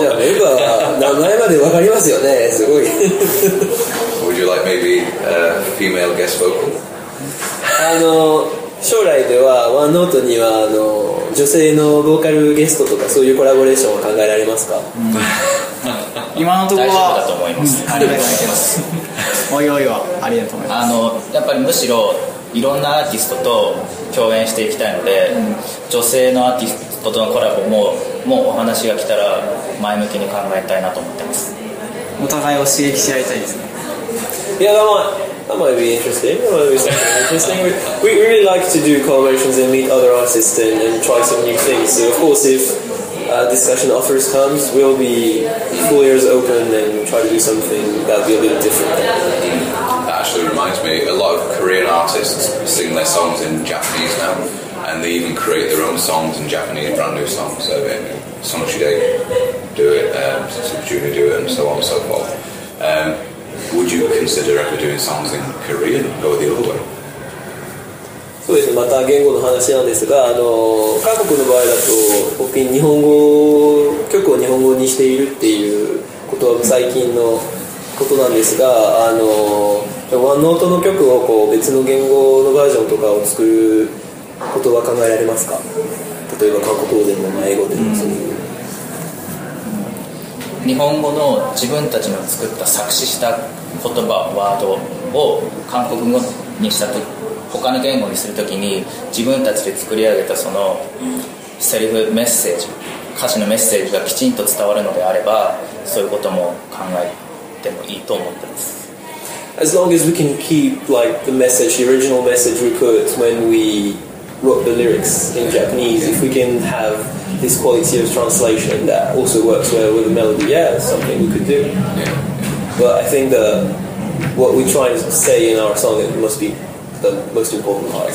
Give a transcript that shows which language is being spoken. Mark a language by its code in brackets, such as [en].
[ja] じゃあメンバーは名前までわかりますよね。すごい。 [en] Would you like maybe a female guest vocal? [ja] あの将来ではワンノートにはあの女性のボーカルゲストとかそういうコラボレーションは考えられますか？今のところは大丈夫だと思います。ありがとうございます。おいおいはありがとうございます。あのやっぱりむしろいろんなアーティストと共演していきたいので、女性のアーティストとのコラボももうお話が来たら前向きに考えたいなと思ってます。お互いを刺激し合いたいですね。いやどうも。 [en] That might be interesting. That might be something interesting. We really like to do collaborations and meet other artists and try some new things. So of course, if discussion offers comes, we'll be full ears open and try to do something that'll be a little different. That actually reminds me, a lot of Korean artists sing their songs in Japanese now, and they even create their own songs in Japanese, brand new songs. So someone should do it, some junior do it, and so on and so forth. Would you consider ever doing songs in Korean or the other way? [ja] そうですね、また言語の話なんですが、韓国の場合だと僕に日本語曲を日本語にしているっていうことは最近のことなんですが、ワンノートの曲をこう別の言語のバージョンとかを作ることは考えられますか？例えば韓国語でも英語でもそういう、うん、日本語の自分たちの作った作詞した言葉ワードを韓国語にしたと他の言語にするときに自分たちで作り上げたそのセリフメッセージ歌詞のメッセージがきちんと伝わるのであればそういうことも考えてもいいと思ってます。 [en] As long as we can keep like the message, the original message we put when we wrote the lyrics in Japanese, if we can have this quality of translation that also works well with the melody, yeah, it's something we could do. But I think that what we try to say in our song, it must beThe most important part.